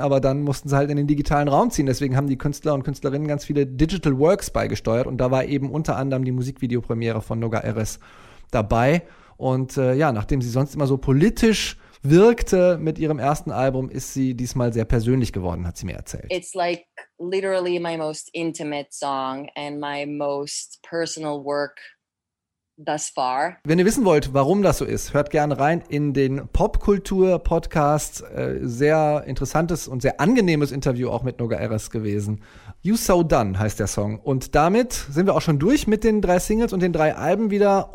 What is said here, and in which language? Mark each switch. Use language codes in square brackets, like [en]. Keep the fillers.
[de] aber dann mussten sie halt in den digitalen Raum ziehen. Deswegen haben die Künstler und Künstlerinnen ganz viele Digital Works beigesteuert und da war eben unter anderem die Musikvideopremiere von Noga RS dabei. Und äh, ja, nachdem sie sonst immer so politisch wirkte mit ihrem ersten Album, ist sie diesmal sehr persönlich geworden, hat sie mir erzählt. [en] It's like literally my most intimate song and my most personal work [de] wenn ihr wissen wollt, warum das so ist, hört gerne rein in den Popkultur-Podcast. Sehr interessantes und sehr angenehmes Interview auch mit Noga Eres gewesen. You So Done heißt der Song. Und damit sind wir auch schon durch mit den drei Singles und den drei Alben wieder.